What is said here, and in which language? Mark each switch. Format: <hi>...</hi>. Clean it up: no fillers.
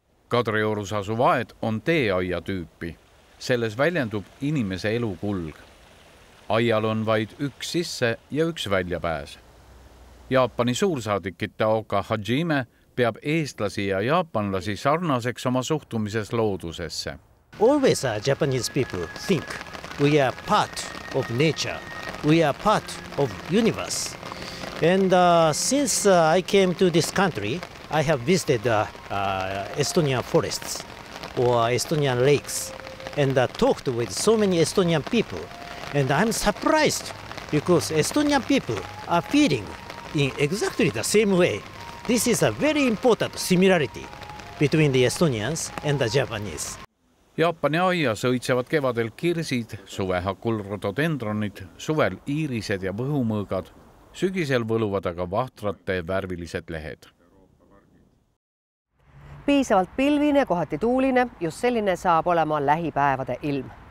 <et>Kadriorus asuv aed on teeaia tüüpi. Selles väljendub inimese elukulg. Aial on vaid üks sisse ja üks väljapääs. Jaapani suursaadik Itaoka Hajime peab eestlasi ja jaapanlasi sarnaseks oma suhtumises loodusesse.</et> <en>Always a Japanese people think we are part of nature. We are part of universe. And since I came to this country, I have visited Estonian forests or Estonian lakes and talked with so many Estonian people. And I'm surprised because Estonian people are feeling in exactly the same way. This is a very important similarity between the Estonians and the Japanese.</en> <et>Jaapani aias õitsevad kevadel kirsid, suvehakul rododendronid, suvel iirised ja võhumõõgad, sügisel võluvad aga vahtrate värvilised lehed. Piisavalt pilvine, kohati tuuline, just selline saab olema lähipäevade ilm.</et>